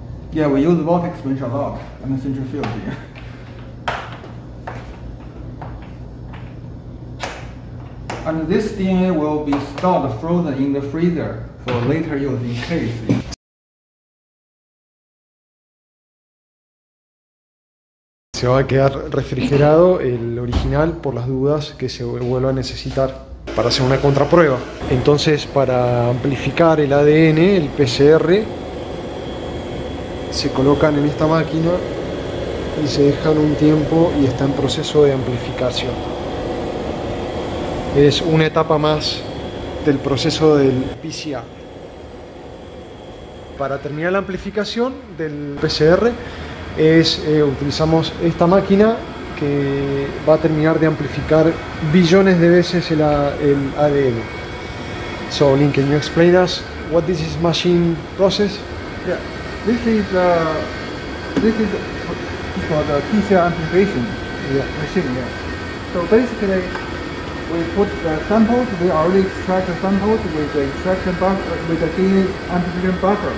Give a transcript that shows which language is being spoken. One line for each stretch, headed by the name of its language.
English: Yeah, we use the vortex bunch a lot and the centrifuge here. And this DNA will be stored frozen in the freezer for later use in case.
Spanish: Se va a quedar refrigerado el original por las dudas que se vuelva a necesitar para hacer una contraprueba. Entonces, para amplificar el ADN, el PCR, se colocan en esta máquina y se dejan un tiempo y está en proceso de amplificación. Es una etapa más del proceso del PCR. Para terminar la amplificación del PCR, utilizamos esta máquina que va a terminar de amplificar billones de veces el ADN.
English: So, Lin, can you explain us what this is machine process? Yeah, this is for the PCR amplification machine. Yeah. So basically, we put the samples. We already extract the samples with the extraction buffer, with the DNA amplification buffer.